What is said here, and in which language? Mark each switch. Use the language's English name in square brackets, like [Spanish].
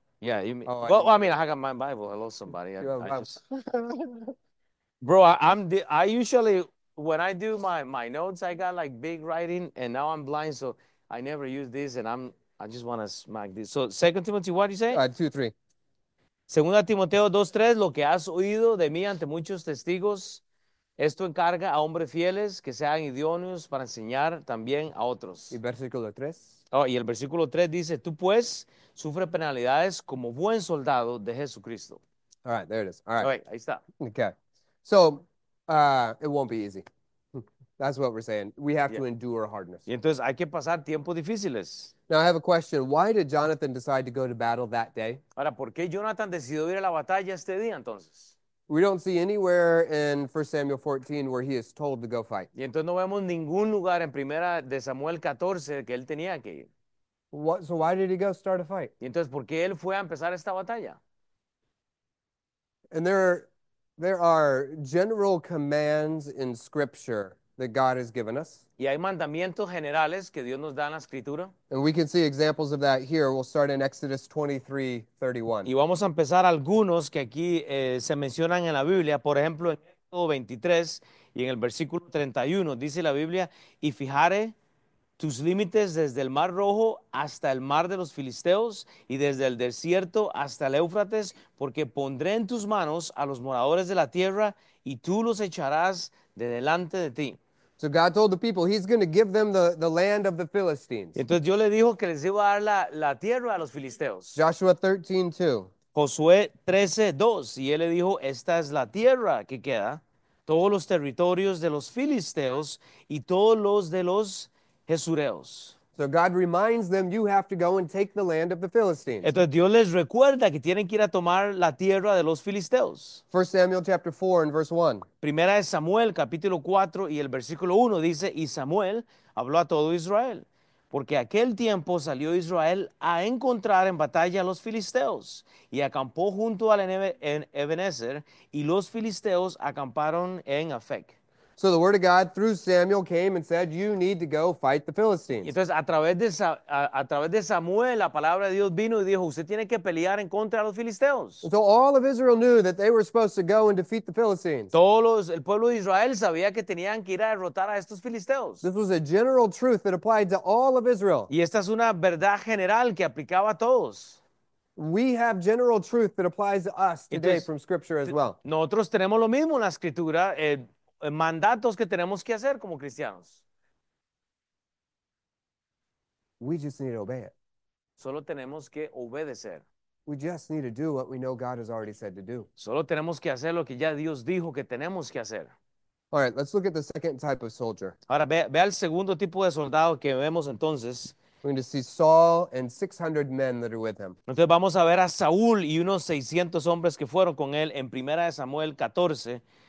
[English] Yeah, you mean, Oh, I well, didn't I mean, I got my Bible. Hello, somebody. You have I a just. Bible. Bro, I usually, when I do my notes, I got like big writing, and now I'm blind, so I never use this, and I just want to smack this. So, 2 Timothy, what do you say? 2:3. [Spanish] Segunda Timoteo 2:3, lo que has oído de mí ante muchos testigos. Esto encarga a hombres fieles que sean idóneos para enseñar también a otros. Y versículo 3. Oh, y el versículo 3 dice, tú pues sufre penalidades como buen soldado de Jesucristo. [English] All right, there it is. All right. [Spanish] Okay, ahí está. [English] Okay. So, it won't be easy. That's what we're saying. We have to endure hardness. [Spanish] Y entonces hay que pasar tiempos difíciles. [English] Now, I have a question. Why did Jonathan decide to go to battle that day? [Spanish] Ahora, ¿por qué Jonathan decidió ir a la batalla este día entonces? [English] We don't see anywhere in 1 Samuel 14 where he is told to go fight. [Spanish] Y entonces no vemos ningún lugar en Primera de Samuel 14 que él tenía que ir. [English] What, so why did he go start a fight? [Spanish] Y entonces, ¿por qué él fue a empezar esta batalla? [English] And there are general commands in Scripture that God has given us. [Spanish] Y hay mandamientos generales que Dios nos da en la Escritura. [English] And we can see examples of that here. We'll start in Exodus 23:31. [Spanish] Y vamos a empezar algunos que aquí se mencionan en la Biblia. Por ejemplo, en Éxodo 23 y en el versículo 31 dice la Biblia, y fijaré tus límites desde el Mar Rojo hasta el Mar de los Filisteos y desde el desierto hasta el Éufrates, porque pondré en tus manos a los moradores de la tierra y tú los echarás de delante de ti. [English] So God told the people, he's going to give them the land of the Philistines. [Spanish] Entonces Dios le dijo que les iba a dar la tierra a los filisteos. [English] Joshua 13:2. [Spanish] Josué 13:2. Y él le dijo, esta es la tierra que queda, todos los territorios de los filisteos y todos los de los jesureos. [English] So God reminds them, you have to go and take the land of the Philistines. [Spanish] Entonces Dios les recuerda que tienen que ir a tomar la tierra de los filisteos. [English] 1 Samuel chapter 4 and verse 1. [Spanish] Primera de Samuel capítulo 4 y el versículo 1 dice, y Samuel habló a todo Israel. Porque aquel tiempo salió Israel a encontrar en batalla a los filisteos y acampó junto al en Ebenezer y los filisteos acamparon en Afek. [English] So the word of God through Samuel came and said, you need to go fight the [Spanish] Y [English] Philistines. [Spanish] entonces a través de Samuel la palabra de Dios vino y dijo, usted tiene que pelear en contra de los filisteos. [English] So all of Israel knew that they were supposed to go and defeat the Philistines. [Spanish] El pueblo de Israel sabía que tenían que ir a derrotar a estos filisteos. [English] This was a general truth that applied to all of Israel. [Spanish] Y esta es una verdad general que aplicaba a todos. [English] We have general truth that applies to us today [Spanish] entonces, [English] from Scripture as well. [Spanish] Nosotros tenemos lo mismo en la escritura, mandatos que tenemos que hacer como cristianos. [English] We just need to obey it. [Spanish] Solo tenemos que obedecer. [English] We just need to do what we know God has already said to do. [Spanish] Solo tenemos que hacer lo que ya Dios dijo que tenemos que hacer. [English] All right, let's look at the second type of soldier. [Spanish] Ahora ve al segundo tipo de soldado que vemos entonces. [English] We're going to see Saul and 600 men that are with him. [Spanish] Entonces vamos a ver a Saúl y unos 600 hombres que fueron con él en Primera de Samuel 14.